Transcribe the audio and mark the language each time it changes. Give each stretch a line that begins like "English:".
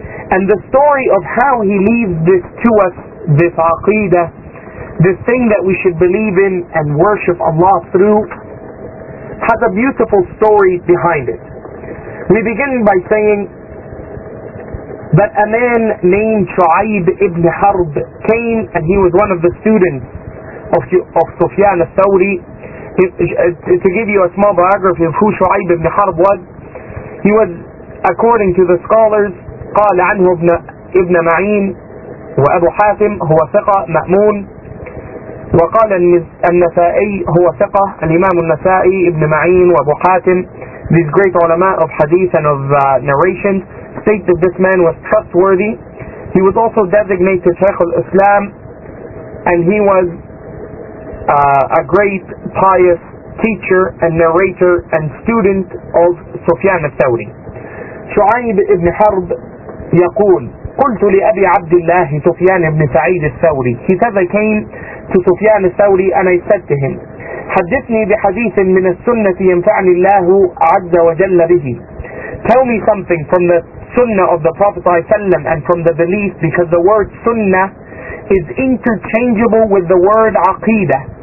English: And the story of how he leaves this to us, this aqidah, this thing that we should believe in and worship Allah through, has a beautiful story behind it. We begin by saying that a man named Shu'aib ibn Harb came, and he was one of the students of Sufyan al-Thawri. To give you a small biography of who Shu'aib ibn Harb was, he was, according to the scholars,
Arabic: قال عنه ابن معين وأبو حاتم هو ثقة مأمون وقال النسائي هو ثقة الإمام النسائي ابن معين وأبو حاتم.
English: These great ulama of hadith and of narration state that this man was trustworthy. He was also designated Shaykh al-Islam, and he was a great pious teacher and narrator and student of Sufyan al-Thawri.
Arabic: Shu'aib ibn Harb yaqul, قلت لأبي عبد الله سفيان بن سعيد الثوري.
English: He says, I came to Sufyan al-Thawri and I said to him,
Arabic: حدثني بحديث من السنة ينفعني الله عز وجل به.
English: Tell me something from the sunnah of the Prophet ﷺ and from the belief, because the word sunnah is interchangeable with the word aqidah.